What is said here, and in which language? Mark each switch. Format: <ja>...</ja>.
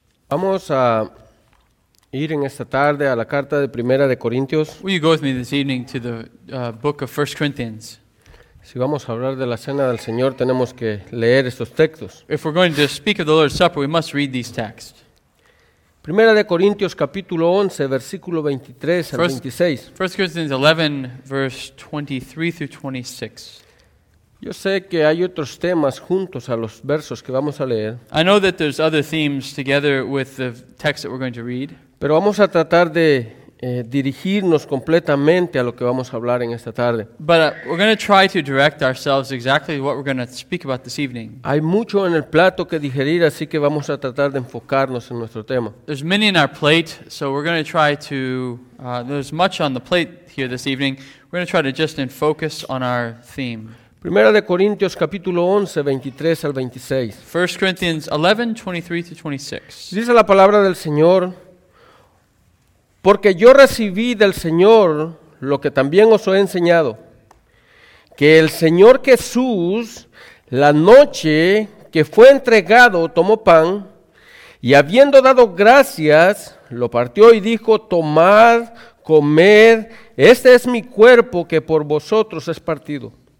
<es>Vamos a ir en esta tarde a la carta de Primera de Corintios.</es> <en>Will you go with me this evening to the book of 1 Corinthians?</en> <es>Si vamos a hablar de la cena del Señor, tenemos que leer estos textos.</es> <en>If we're going to speak of the Lord's Supper, we must read these texts.</en> <es>Primera de Corintios, capítulo 11, versículo 23 al 26.</es> <en>1 Corinthians 11, verse 23 through 26.</en> <es>Yo sé que hay otros temas juntos a los versos que vamos a leer.</es> <en>I know that there's other themes together with the text that we're going to read.</en> <es>Pero vamos a tratar de dirigirnos completamente a lo que vamos a hablar en esta tarde.</es> <en>But we're going to try to direct ourselves exactly what we're going to speak about this evening.</en> <es>Hay mucho en el plato que digerir, así que vamos a tratar de enfocarnos en nuestro tema.</es> <en>There's many in our plate, so we're going to try to there's much on the plate here this evening. We're going to try to just focus on our theme.</en> <es>Primera de Corintios, capítulo 11, 23 al 26.</es> <en>1 Corinthians 11, 23 to 26.</en> <es>Dice la palabra del Señor, porque yo recibí del Señor lo que también os he enseñado, que el Señor Jesús, la noche que fue entregado, tomó pan, y habiendo dado gracias, lo partió y dijo, tomad, comed, este es mi cuerpo que por vosotros es partido.</es>